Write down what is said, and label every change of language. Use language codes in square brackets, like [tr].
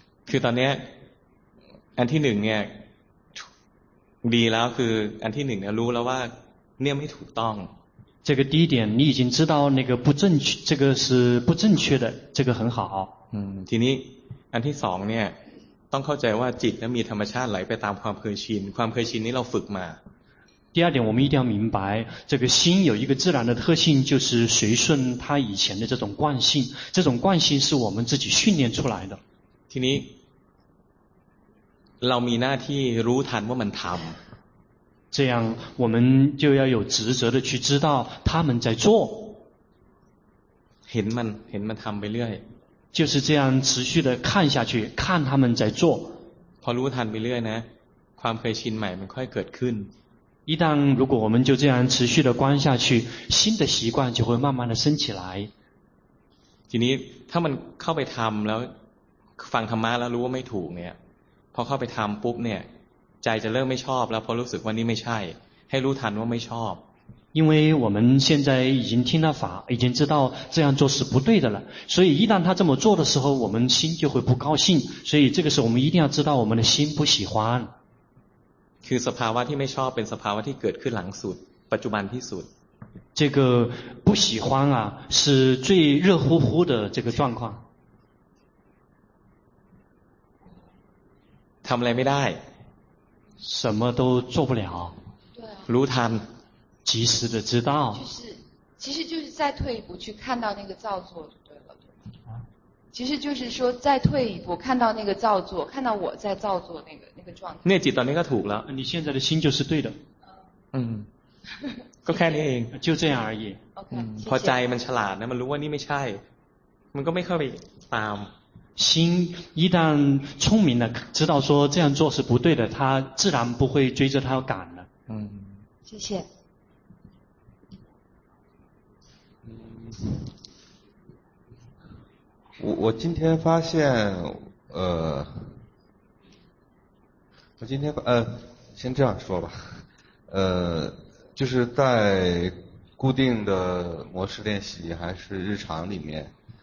[th] คือตอนนี้อันที่หนึ่งเนี่ยดีแล้วคืออันที่หนึ่งเนี่ยรู้แล้วว่าเนี่ยไม่ถูกต้อง [zh] 这个第一点你已经知道那个不正确这个是不正确的这个很好 [th] ทีนี้อันที่สองเนี่ยต้องเข้าใจว่าจิตมีธรรมชาติไหลไปตามความเคยชินความเคยชินนี้เราฝึกมา [zh] 第二点我们一定要明白这个心有一个自然的特性就是随顺它以前的这种惯性这种惯性是我们自己训练出来的 [th] ทีนี้เรามีหน้าที่รู้ทันว่ามันทำ [zh] 这样我们就要有职责的去知道他们在做 [th] เห็นมันทำไปเรื่อย [zh] 就是这样持续的看下去看他们在做 [th] พอรู้ทันไปเรื่อยนะความเคยชินใหม่มันค่อยเกิดขึ้น [zh] 一旦如果我们就这样持续的观下去，新的习惯就会慢慢的升起来。 [th] ทีนี้ถ้ามันเข้าไปทำแล้วฟังธรรมะแล้วรู้ว่าไม่ถูกเนี่ยพอเข้าไปทำปุ๊บเนี่ยใจจะเริ่มไม่ชอบแล้วพอรู้สึกว่านี่ไม่ใช่ให้รู้ทันว่าไม่ชอบ [zh] 因为我们现在已经听了法，已经知道这样做是不对的了，所以一旦他这么做的时候，我们心就会不高兴，所以这个时候我们一定要知道我们的心不喜欢。 [th] คือสภาวะที่ไม่ชอบเป็นสภาวะที่เกิดขึ้นหลังสุดปัจจุบันที่สุด [zh] 这个不喜欢啊是最热乎乎的这个状况 [th] ทำอะไรไม่ได้ [zh] 什么都做不了 [th] รู้ทัน [zh] 及时的知道其实就是再退一步去看到那个造作就对了其实就是说再退一步看到那个造作看到我在造作那个状态那几段那个土了你现在的心就是对的 [th] ก็แค่นี้เอง [zh] 就这样而已 [en] okay, [th] 嗯พอใจมันฉลาดนะมันรู้ว่านี่ไม่ใช่มันก็ไม่เข้าไปตาม [zh] 心一旦聪明了知道说这样做是不对的他自然不会追着他要赶了谢谢我今天发现我今天先这样说吧就是在固定的模式练习还是日常里面